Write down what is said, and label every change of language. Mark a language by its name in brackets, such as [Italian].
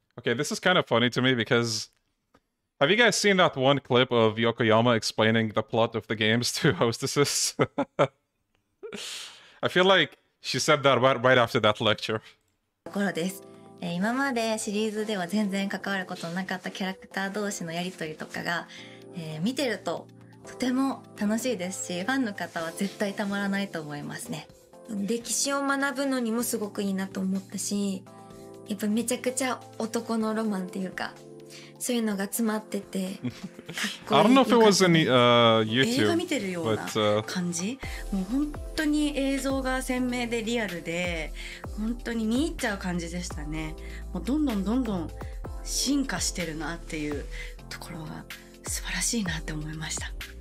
[English] Okay, this is kind of funny to me because have you guys seen that one clip of Yokoyama explaining the plot of the games to hostesses? I feel like she said that right after that lecture. [Japanese] ところです。今までシリーズでは全然関わることのなかったキャラクター同士のやり取りとかが、見てるととても楽しいですし、ファンの方は絶対たまらないと思いますね。歴史を学ぶのにもすごくいいなと思ったし、やっぱめちゃくちゃ男のロマンっていうか、そういうのが詰まってて、かっこいい。 [English] I don't know if it was any, YouTube, [Japanese] 映画見てるような感じ。もう本当に映像が鮮明でリアルで、本当に見入っちゃう感じでしたね。もうどんどんどんどん進化してるなっていうところが素晴らしいなって思いました。